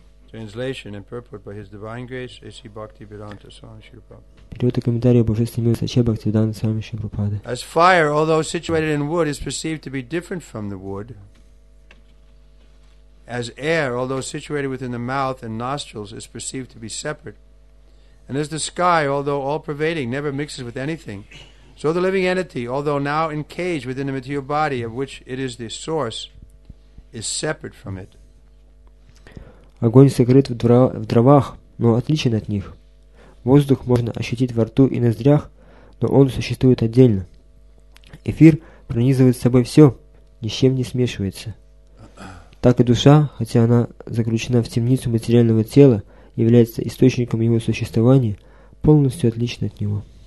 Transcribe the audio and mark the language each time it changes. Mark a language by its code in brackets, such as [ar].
[en] Translation and purport by His Divine Grace, A.C. Bhaktivedanta Swami Srila Prabhupada. [ru] Перевод и комментарий Божественной милости А.С. Бхактивиданта Свами Шрила Прабхупады. [en] As fire, although situated in wood, is perceived to be different from the wood, as air, although situated within the mouth and nostrils, is perceived to be separate, and as the sky, although all-pervading, never mixes with anything, so the living entity, although now encaged within the material body of which it is the source, is separate from it. [ru] Огонь сокрыт в дровах, но отличен от них. Воздух можно ощутить во рту и ноздрях, но он существует отдельно. Эфир пронизывает собой все, ни с чем не смешивается. Так и душа, хотя она заключена в темницу материального тела, является источником его существования, полностью отлично от него.